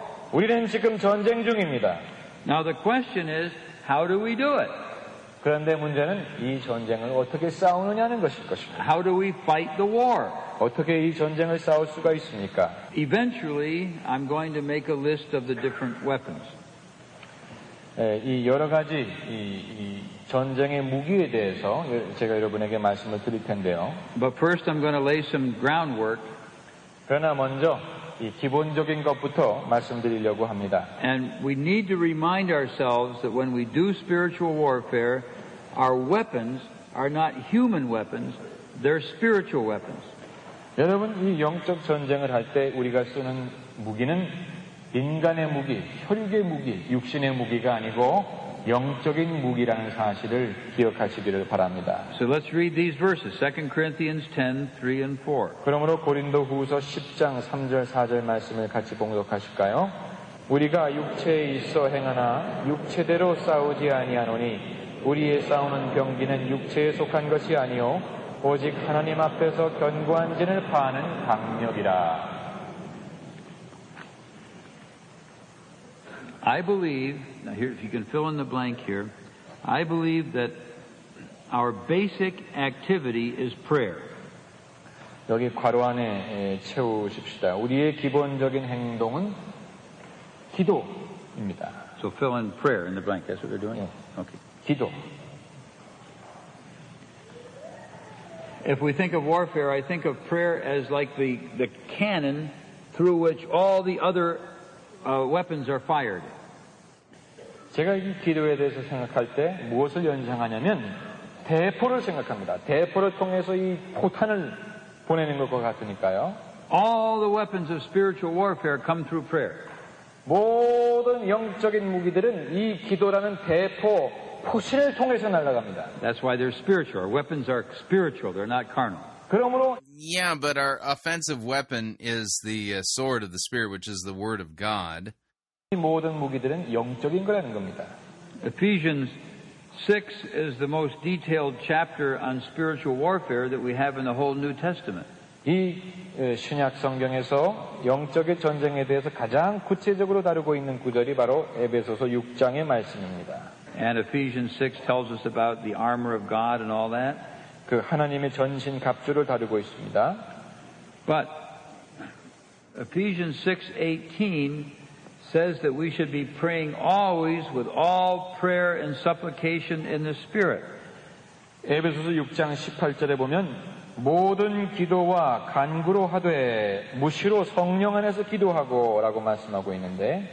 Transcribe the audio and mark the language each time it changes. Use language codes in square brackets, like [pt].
[ko] 우리는 지금 전쟁 중입니다. [en] Now the question is, how do we do it? [ko] 그런데 문제는 이 전쟁을 어떻게 싸우느냐는 것일 것입니다. [en] How do we fight the war? [ko] 어떻게 이 전쟁을 싸울 수가 있습니까? [en] Eventually, I'm going to make a list of the different weapons. [ko] 이 여러 가지 이 전쟁의 무기에 대해서 제가 여러분에게 말씀을 드릴 텐데요. [en] But first, I'm going to lay some groundwork. [ko] 그러나 먼저 이 기본적인 것부터 말씀드리려고 합니다. [en] And we need to remind ourselves that when we do spiritual warfare, our weapons are not human weapons, they're spiritual weapons. [ko] 여러분, 이 영적 전쟁을 할 때 우리가 쓰는 무기는 인간의 무기, 혈육의 무기, 육신의 무기가 아니고 영적인 무기라는 사실을 기억하시기를 바랍니다. [en] So let's read these verses, 2 Corinthians 10, 3 and 4. [ko] 그러므로 고린도 후서 10장 3절, 4절 말씀을 같이 봉독하실까요? 우리가 육체에 있어 행하나 육체대로 싸우지 아니하노니 우리의 싸우는 경기는 육체에 속한 것이 아니오 오직 하나님 앞에서 견고한 진을 파하는 강력이라. [en] I believe, now here, if you can fill in the blank here, I believe that our basic activity is prayer. [ko] 여기 괄호 안에 채우십시다. 우리의 기본적인 행동은 기도입니다. [en] So fill in prayer in the blank. That's what they're doing? Yeah. Okay. [ko] 기도. [en] If we think of warfare, I think of prayer as like the cannon through which all the other weapons are fired. [ko] 제가 이 기도에 대해서 생각할 때 무엇을 연상하냐면 대포를 생각합니다. 대포를 통해서 이 포탄을 보내는 것과 같으니까요. [en] All the weapons of spiritual warfare come through prayer. [ko] 모든 영적인 무기들은 이 기도라는 대포, 포신을 통해서 날아갑니다. [en] That's why they're spiritual. Our weapons are spiritual. They're not carnal. [ko] 그러므로 [en] Yeah, but our offensive weapon is the sword of the spirit, which is the word of God. [ko] 이 모든 무기들은 영적인 거라는 겁니다. [en] Ephesians 6 is the most detailed chapter on spiritual warfare that we have in the whole New Testament. [ko] 이 신약 성경에서 영적인 전쟁에 대해서 가장 구체적으로 다루고 있는 구절이 바로 에베소서 6장의 말씀입니다. [en] And Ephesians 6 tells us about the armor of God and all that. [ko] 그 하나님의 전신 갑주를 다루고 있습니다. [en] But Ephesians 6:18 says that we should be praying always with all prayer and supplication in the Spirit. [ko] 에베소서 6장 18절에 보면 모든 기도와 간구로 하되 무시로 성령 안에서 기도하고라고 말씀하고 있는데.